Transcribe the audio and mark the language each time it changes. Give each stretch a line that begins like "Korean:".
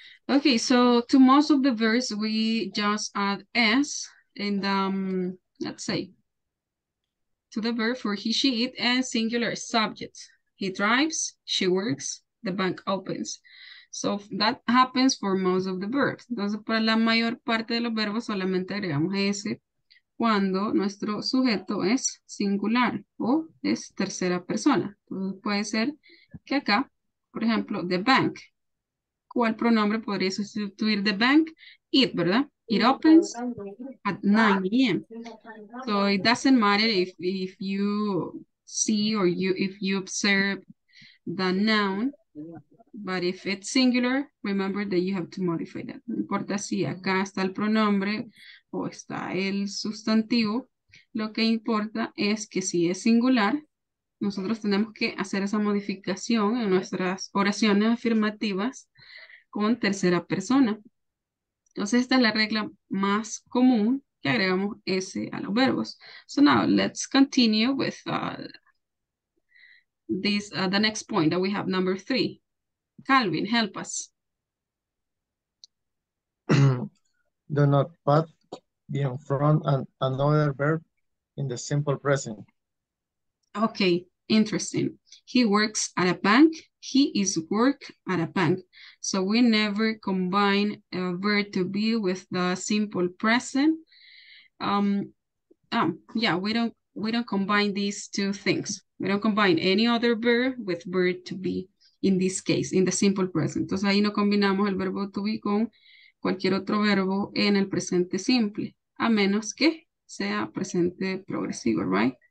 English: Okay, so to most of the verbs, we just add S in the... let's say, to the verb for he, she, it, and singular subject. He drives, she works, the bank opens. So that happens for most of the verbs.
Spanish: Entonces, para la mayor parte de los verbos, solamente agregamos ese cuando nuestro sujeto es singular o es tercera persona. Entonces, puede ser que acá, por ejemplo,
English: the bank.
Spanish: ¿Cuál pronombre podría sustituir
English: the bank?
Spanish: It, ¿verdad?
English: It opens at 9 a.m. So it doesn't matter if you see or if you observe the noun, but if it's singular, remember that you have to modify that.
Spanish: No importa si acá está el pronombre o está el sustantivo. Lo que importa es que si es singular, nosotros tenemos que hacer esa modificación en nuestras oraciones afirmativas con tercera persona. Entonces, esta es la regla más común que agregamos S a los verbos.
English: So now, let's continue with the next point that we have, number three. Calvin, help us. Do not put in front another verb in the simple present. Okay, interesting. He works at a bank. He is work at a bank. So we never combine a verb to be with the simple present. We don't combine these two things. We don't combine any other verb with verb to be in this case, in the simple present.
Spanish: Entonces ahí no combinamos el verbo to be con cualquier otro verbo en el presente simple, a menos que sea presente progresivo, right?